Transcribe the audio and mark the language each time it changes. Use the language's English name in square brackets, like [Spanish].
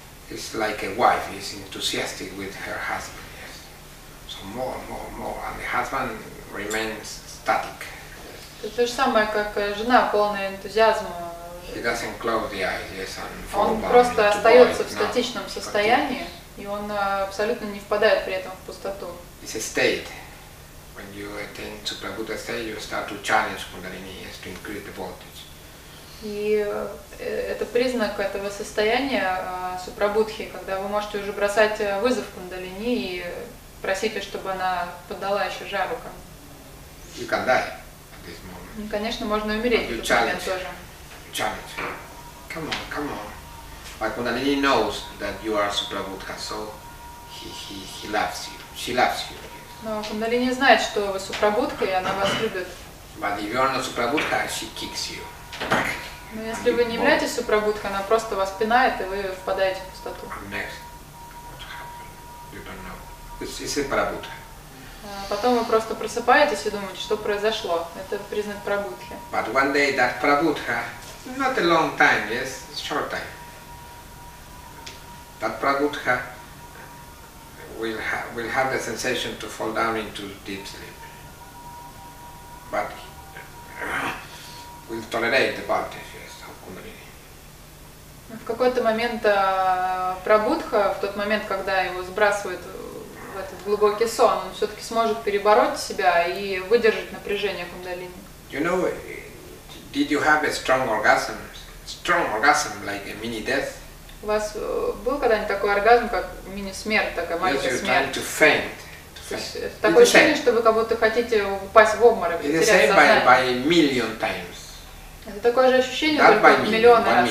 [English] It's like a wife, he's enthusiastic with her husband, yes. So more. And the husband remains static. [Russian] Это же самое, как жена, полная энтузиазма. [English] He doesn't close the eyes, yes, and [Russian] он просто остается в статичном состоянии, и он абсолютно не впадает при этом в пустоту. [English] It's a state. When you attain Suprabuddha state, you start to challenge Kundalini, yes, to increase the voltage. [Russian] И это признак этого состояния Супрабудхи, когда вы можете уже бросать вызов Кундалини и просить, чтобы она подала еще жару. [English] You can die at this moment. [Russian] И, конечно, можно умереть. [English] You challenge. Challenge. Come on. But Kundalini knows that you are Suprabuddha, so he loves you. She loves you. [Russian] Но Кундалини знает, что вы Супрабудха, и она вас любит. [English] But if you're not Suprabuddha, she kicks you. [Russian] Но если вы не являетесь Супрабудха, она просто вас пинает, и вы впадаете в пустоту. [English] And next, what happened? You don't know. It's a Prabuddha. [Russian] Потом вы просто просыпаетесь и думаете, что произошло. Это признак Прабудхи. [English] But one day that Prabuddha, not a long time, yes, short time. That Prabuddha will have the sensation to fall down into deep sleep, but will tolerate the voltage, yes, of Kundalini. [Russian] В какой-то момент Прабудха, в тот момент, когда его сбрасывает в этот глубокий сон, он все-таки сможет перебороть себя и выдержать напряжение кундалини. [English] You know, did you have a strong orgasm? Strong orgasm, like a mini death? [Russian] У вас был когда-нибудь такой оргазм, как мини-смерть, такая маленькая смерть? [English] Yes, you're trying to faint. [Russian] Есть, такое ощущение, что вы как будто хотите упасть в обморок, потерять сознание. [English] By million times. [Russian] Это такое же ощущение, только в миллионы раз